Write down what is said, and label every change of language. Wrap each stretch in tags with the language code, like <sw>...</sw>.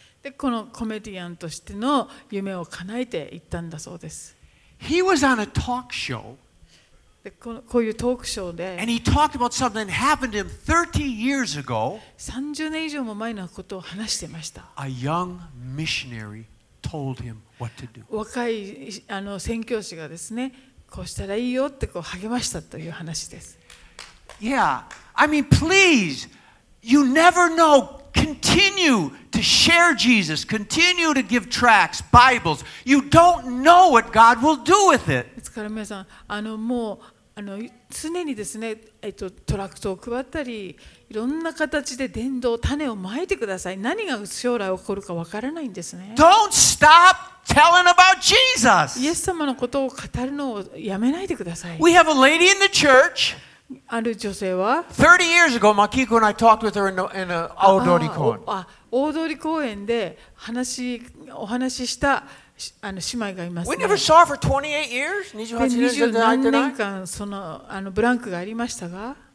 <ja>で、このコメディアンとしての夢を叶えていったんだそうです。</ja> <en>He was on a talk show.</en> <ja>で、こういうトークショーで。</ja> <en>And he talked about something that happened to him 30 years ago.</en> <ja>30年以上も前のことを話していました。</ja> <en>A young missionary told him what to do.</en> <ja>若い宣教師がですね、こうしたらいいよってこう励ましたという話です。</ja> <en>Yeah, I mean, please, you never know. Continue to share Jesus. Continue to give tracts, Bibles. You don't know what God will do with it.</en> <ja>ですから皆さん、もう常にですね、トラクトを配ったり、いろんな形で伝道種をまいてください。何が将来起こるかわからないんですね。</ja> <en>Don't stop. Telling about Jesus.</en> <ja>イエス様のことを語るのをやめないでください。</ja> <en>We have a lady in the church.</en> <ja>ある女性は。</ja> <en>30 years ago, Makiko and I talked with her in a 大通り公園。</en> <ja>大通り公園で話お話しした姉妹がいます、ね。</ja> <en>We never saw her for 28 years. 28 years ago.</en> <ja>20何年間そのブランクがありましたが。</ja>